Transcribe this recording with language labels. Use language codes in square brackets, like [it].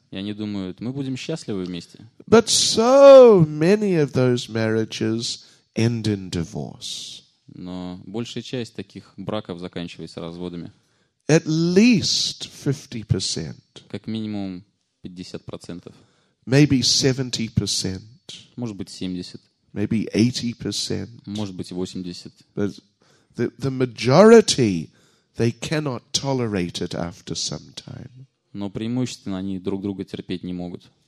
[ru] И они думают, мы будем счастливы вместе. [en] But so many of those marriages end in divorce. [ru] Но большая часть таких браков заканчивается разводами. [en] At least 50%. [ru] Как минимум 50%. [en] Maybe 70%. [ru] Может быть 70%. [en] Maybe 80%. [ru] Может быть 80%. [en] But the majority, they cannot tolerate it after some time. [ru] Но преимущественно они друг друга терпеть не могут.